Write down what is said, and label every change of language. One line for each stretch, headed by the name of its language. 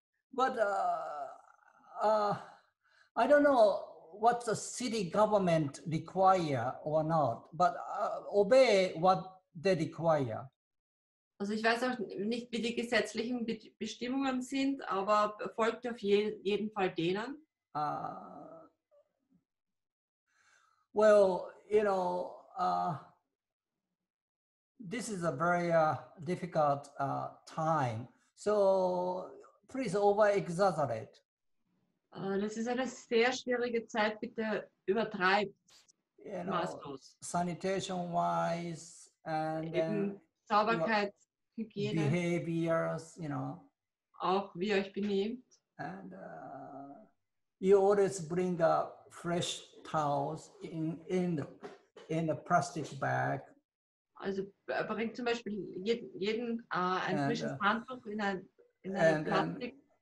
English: But I don't know what the city government require or not, but obey what they require.
German: Also ich weiß auch nicht, wie die gesetzlichen Bestimmungen sind, aber folgt auf jeden Fall denen.
English: Well, you know, this is a very difficult time. So please over-exaggerate.
German: Das ist eine sehr schwierige Zeit, bitte übertreibt maßlos.
English: Sanitation-wise and
German: Sauberkeit,
English: Hygiene, behaviors, you know.
German: Auch wie euch benehmt.
English: And you always bring a fresh towels in the plastic bag.
German: Also bringt zum Beispiel jeden ein frisches Handtuch in ein Plastik.